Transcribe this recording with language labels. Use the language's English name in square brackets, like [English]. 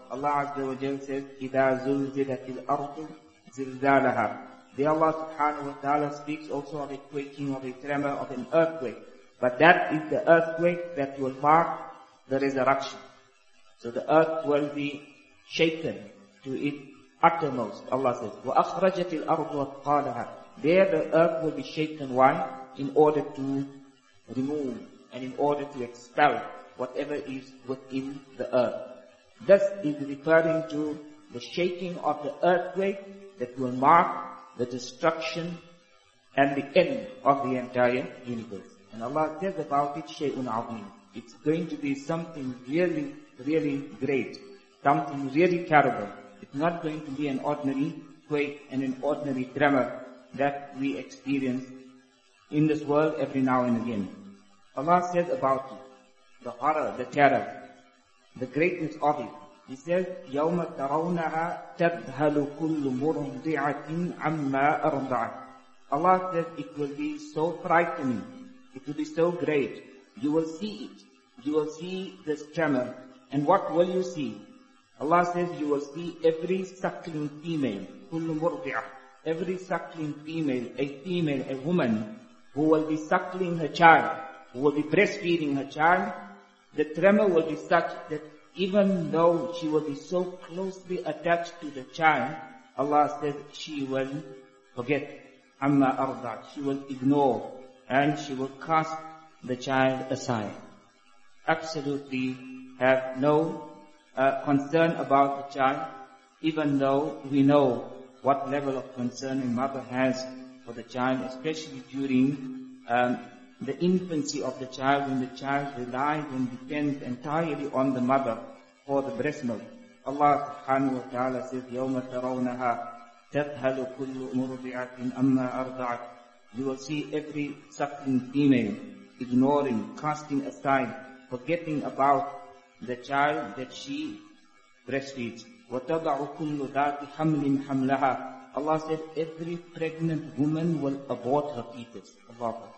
[English] Allah Azza wa Jalla says, إِذَا زُلْزِلَتِ الْأَرْضُ زِلْزَالَهَا. The Allah subhanahu wa ta'ala speaks also of a quaking, of a tremor, of an earthquake. But that is the earthquake that will mark the resurrection. So the earth will be shaken to its uttermost. Allah says, وَأَخْرَجَتِ الْأَرْضُ أَثْقَالَهَا. There the earth will be shaken one in order to remove and in order to expel whatever is within the earth. This is referring to the shaking of the earthquake that will mark the destruction and the end of the entire universe. And Allah says about it, shay'un 'azeem. It's going to be something really, really great, something really terrible. It's not going to be an ordinary quake and an ordinary tremor that we experience in this world every now and again. Allah says about it, the horror, the terror, the greatness of it. [Arabic] He says, يَوْمَ تَرَوْنَهَا تَبْهَلُ كُلُّ مُرْضِعَةٍ عَمَّا أَرْضَعَةٍ. [English] Allah says it will be so frightening, it will be so great. You will see it. You will see this tremor. And what will you see? Allah says you will see every suckling female, كُلُّ مُرْضِعَةٍ. Every suckling female, a woman, who will be suckling her child, who will be breastfeeding her child, the tremor will be such that even though she will be so closely attached to the child, Allah says she will forget, amma arda, she will ignore, and she will cast the child aside. Absolutely have no concern about the child, even though we know what level of concern a mother has for the child, especially during the infancy of the child, when the child relies and depends entirely on the mother for the breast milk. [Arabic] Allah subhanahu wa ta'ala says, يَوْمَ تَرَوْنَهَا تَذْهَلُ كُلُّ مُرْضِعَةٍ أَمَّا أَرْضَعَتْ. [English] You will see every suckling female ignoring, casting aside, forgetting about the child that she breastfeeds. [Arabic] وَتَضَعُ كُلُّ ذَاتِ حَمْلٍ حَمْلَهَا. [English] Allah says, every pregnant woman will abort her fetus. Allah.